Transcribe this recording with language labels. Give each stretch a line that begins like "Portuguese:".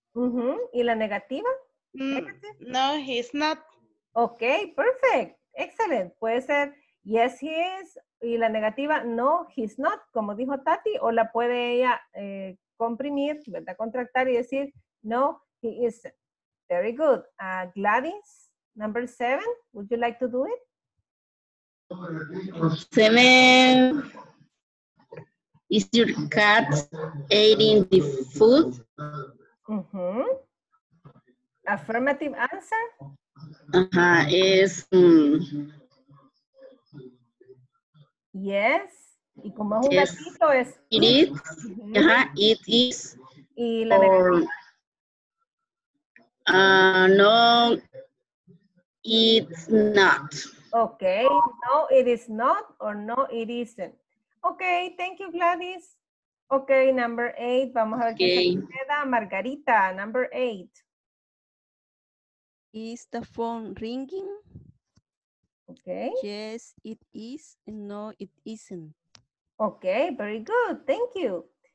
Spanish: Uh-huh. ¿Y la negativa?
English: No, he's not. Okay, perfect. Excellent.
Spanish: Puede ser
English: yes, he is.
Spanish: ¿Y la negativa?
English: No, he's not.
Spanish: Como dijo Tati, o la puede ella comprimir, ¿verdad? Contractar y decir no.
English: He is very good. Gladys, number 7, would you like to do it? Seven, is your cat eating the food? Mm-hmm. Affirmative answer? Uh-huh. Is.
Spanish: Yes. Y como es un gatito, es.
English: It is. Mm-hmm. Uh-huh. It is.
Spanish: Y la
English: No, it's not. Okay, no, it is not, or no, it isn't. Okay, thank you, Gladys. Okay, number 8,
Spanish: vamos a ver qué se queda.
English: Margarita, number 8. Is the phone ringing? Okay. Yes, it is, no, it isn't. Okay, very good. Thank you.